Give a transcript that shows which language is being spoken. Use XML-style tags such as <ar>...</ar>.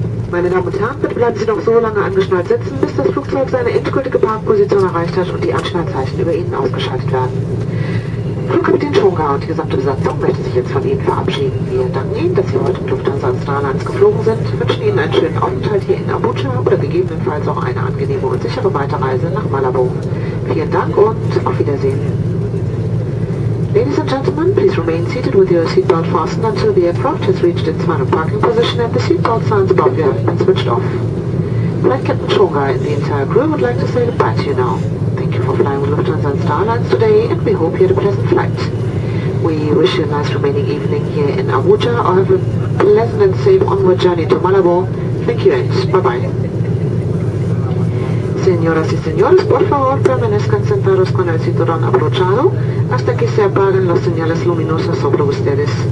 <de>Meine Damen und Herren, bitte bleiben Sie noch so lange angeschnallt sitzen, bis das Flugzeug seine endgültige Parkposition erreicht hat und die Anschnallzeichen über Ihnen ausgeschaltet werden. Flugkapitän Schonga und die gesamte Besatzung möchte sich jetzt von Ihnen verabschieden. Wir danken Ihnen, dass Sie heute mit Lufthansa Airlines geflogen sind, wünschen Ihnen einen schönen Aufenthalt hier in Abuja oder gegebenenfalls auch eine angenehme und sichere Weiterreise nach Malabo. Vielen Dank und auf Wiedersehen.</de> <en>Ladies and gentlemen, please remain seated with your seatbelt fastened until the aircraft has reached its final parking position and the seatbelt signs above you have been switched off. Flight Captain Schonga and the entire crew would like to say goodbye to you now. Thank you for flying with Lufthansa and Starlines today, and we hope you had a pleasant flight. We wish you a nice remaining evening here in Abuja, or have a pleasant and safe onward journey to Malabo. Thank you, and bye-bye.</en> <es>Señoras y señores, por favor, permanezcan sentados con el cinturón abrochado hasta que se apaguen las señales luminosas sobre ustedes.</es>